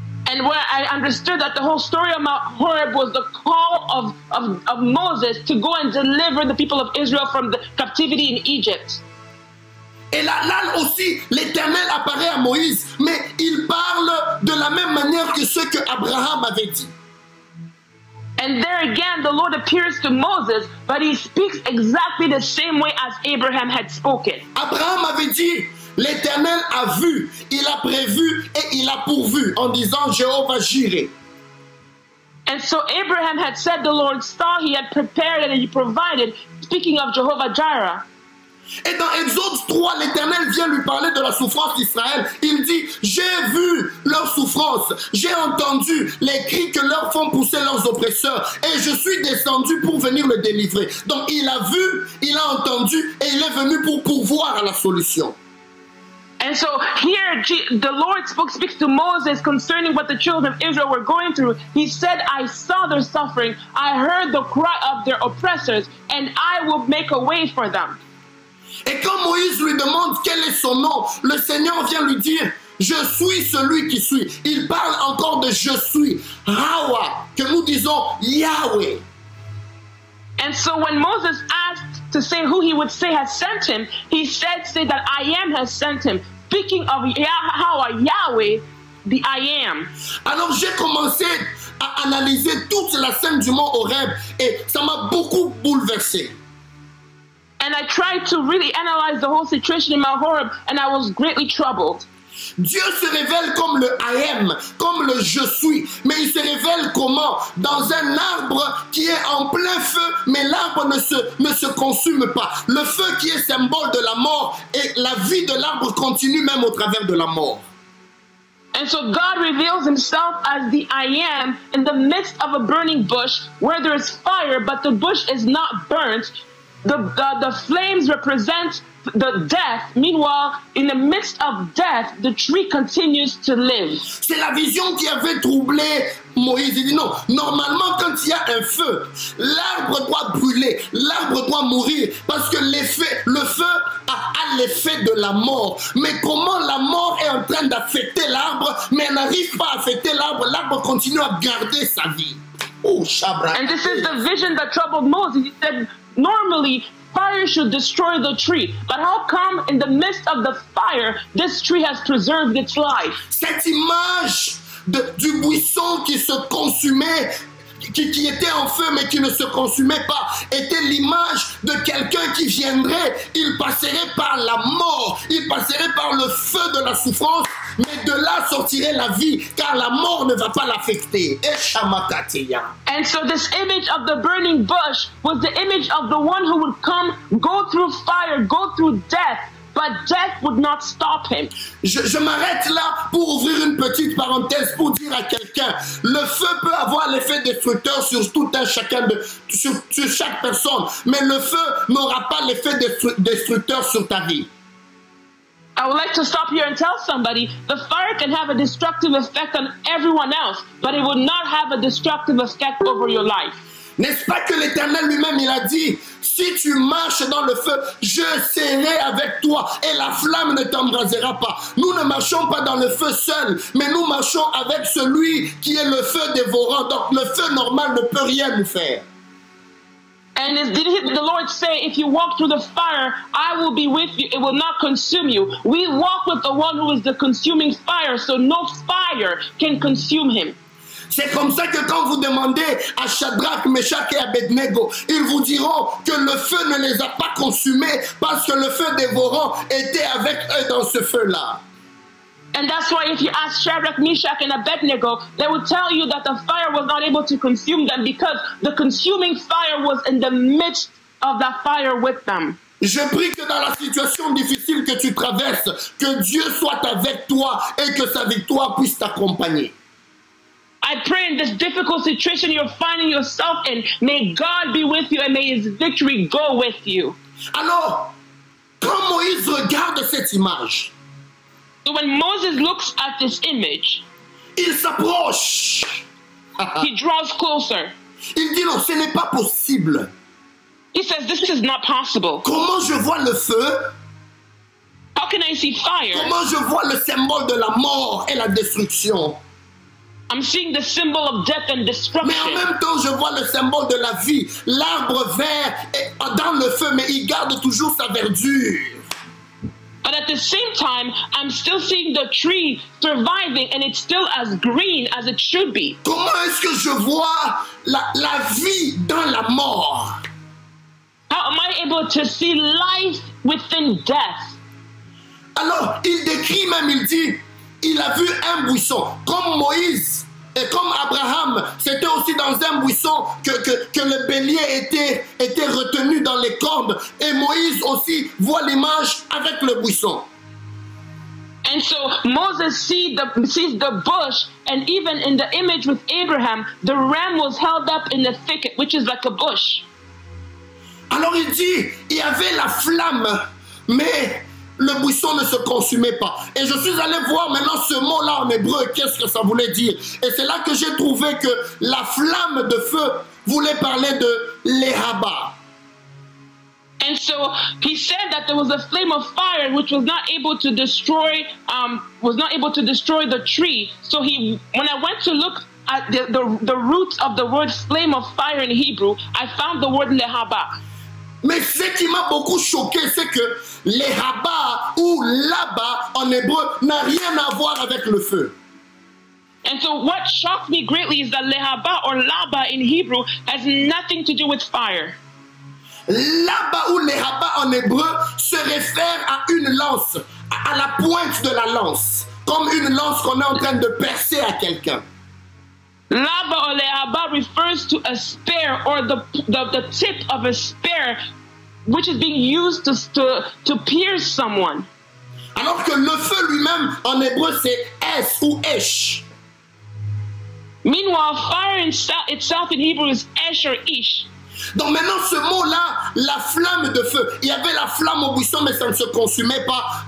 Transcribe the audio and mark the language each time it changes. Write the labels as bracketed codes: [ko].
[en] And where I understood that the whole story of Mount Horeb was the call of Moses to go and deliver the people of Israel from the captivity in Egypt. [fr] Et là aussi, l'Éternel apparaît à Moïse, mais il parle de la même manière que ce que Abraham avait dit. [en] And there again, the Lord appears to Moses, but he speaks exactly the same way as Abraham had spoken. [fr] Abraham avait dit, l'Éternel a vu, il a prévu et il a pourvu, en disant, Jéhovah Jireh. [en] And so Abraham had said, the Lord saw, he had prepared and he provided, speaking of Jehovah Jireh. [fr] Et dans Exode 3, l'Éternel vient lui parler de la souffrance d'Israël. Il dit, j'ai vu leur souffrance, j'ai entendu les cris que leur font pousser leurs oppresseurs, et je suis descendu pour venir le délivrer. Donc il a vu, il a entendu, et il est venu pour pourvoir à la solution. [en] And so here the Lord speaks to Moses concerning what the children of Israel were going through. He said, I saw their suffering, I heard the cry of their oppressors, and I will make a way for them. [fr] Et quand Moïse lui demande quel est son nom, le Seigneur vient lui dire, je suis celui qui suis. Il parle encore de je suis, Hawa, que nous disons Yahweh. [en] And so when Moses asked to say who he would say has sent him, he said, say that I am has sent him. Speaking of Hawa, Yahweh, the I am. [fr] Alors j'ai commencé à analyser toute la scène du mont Horeb et ça m'a beaucoup bouleversé. [en] And I tried to really analyze the whole situation in Mount Horeb, and I was greatly troubled. [fr] Dieu se révèle comme le I am, comme le je suis. Mais il se révèle comment? Dans un arbre qui est en plein feu, mais l'arbre ne se consume pas. Le feu qui est symbole de la mort et la vie de l'arbre continue même au travers de la mort. [en] And so God reveals himself as the I am in the midst of a burning bush where there is fire, but the bush is not burnt. The flames represent the death. Meanwhile, in the midst of death, the tree continues to live. [fr] C'est la vision qui avait troublé Moïse. Il dit non, normalement quand il y a un feu, l'arbre doit brûler, l'arbre doit mourir parce que le feu a l'effet de la mort. Mais comment la mort est en train d'affecter l'arbre, mais elle n'arrive pas à affecter l'arbre, l'arbre continue à garder sa vie. Oh, [en] and this is the vision that troubled Moses. He said, normally, fire should destroy the tree. But how come in the midst of the fire, this tree has preserved its life? [fr] Cette image du buisson qui se consumait, qui était en feu mais qui ne se consumait pas, était l'image de quelqu'un qui viendrait, il passerait par la mort, il passerait par le feu de la souffrance, mais de là sortirait la vie, car la mort ne va pas l'affecter. [en] And so this image of the burning bush was the image of the one who would come, go through fire, go through death, but death would not stop him. [fr] Je m'arrête là pour ouvrir une petite parenthèse pour dire à quelqu'un, le feu peut avoir l'effet destructeur sur tout un chacun de sur chaque personne, mais le feu n'aura pas l'effet destructeur sur ta vie. [en] I would like to stop here and tell somebody, the fire can have a destructive effect on everyone else, but it would not have a destructive effect over your life. [fr] N'est-ce pas que l'Éternel lui-même, il a dit, si tu marches dans le feu, je serai avec toi et la flamme ne t'embrasera pas. Nous ne marchons pas dans le feu seul, mais nous marchons avec celui qui est le feu dévorant. Donc le feu normal ne peut rien nous faire. [en] And did the Lord say, if you walk through the fire, I will be with you, it will not consume you. We walk with the one who is the consuming fire, so no fire can consume him. [fr] C'est comme ça que quand vous demandez à Shadrach, Meshach et Abednego, ils vous diront que le feu ne les a pas consumés parce que le feu dévorant était avec eux dans ce feu-là. [en] And that's why if you ask Shadrach, Meshach and Abednego, they will tell you that the fire was not able to consume them because the consuming fire was in the midst of that fire with them. [fr] Je prie que dans la situation difficile que tu traverses, que Dieu soit avec toi et que sa victoire puisse t'accompagner. [en] I pray in this difficult situation you're finding yourself in, may God be with you and may his victory go with you. [fr] Alors, quand Moïse regarde cette image, [en] when Moses looks at this image, [fr] il s'approche. [en] He draws closer. [fr] Il dit non, ce n'est pas possible. [en] He says, this is not possible. [fr] Comment je vois le feu? [en] How can I see fire? [fr] Comment je vois le symbole de la mort et la destruction? [en] I'm seeing the symbol of death and destruction. [fr] Mais en même temps, je vois le symbole de la vie. L'arbre vert est dans le feu, mais il garde toujours sa verdure. [en] But at the same time, I'm still seeing the tree surviving and it's still as green as it should be. [fr] Comment est-ce que je vois la vie dans la mort? [en] How am I able to see life within death? [fr] Alors, il décrit même, il dit, il a vu un buisson, comme Moïse et comme Abraham, c'était aussi dans un buisson que le bélier était retenu dans les cordes. Et Moïse aussi voit l'image avec le buisson. [en] And so Moses sees the bush, and even in the image with Abraham, the ram was held up in the thicket, which is like a bush. [fr] Alors il dit, il y avait la flamme, mais le buisson ne se consumait pas. Et je suis allé voir maintenant ce mot-là en hébreu, qu'est-ce que ça voulait dire. Et c'est là que j'ai trouvé que la flamme de feu voulait parler de l'éhaba. [en] And so he said that there was a flame of fire which was not able to destroy the tree. So when I went to look at the root of the word flame of fire in Hebrew, I found the word l'éhaba. [fr] Mais ce qui m'a beaucoup choqué, c'est que l'éhaba ou l'aba en hébreu n'a rien à voir avec le feu. [en] And so what shocked me greatly is that l'éhaba or l'aba in Hebrew has nothing to do with fire. [fr] L'aba ou l'éhaba en hébreu se réfère à une lance, à la pointe de la lance. comme une lance qu'on est en train de percer à quelqu'un. [en] Laba or le'aba refers to a spear or the tip of a spear which is being used to pierce someone. [fr] Alors que le feu lui-même en hébreu c'est esh ou esh. [en] Meanwhile, fire itself in Hebrew is esh or ish. [fr] Donc maintenant ce mot-là, la flamme de feu, il y avait la flamme au buisson mais ça ne se consumait pas.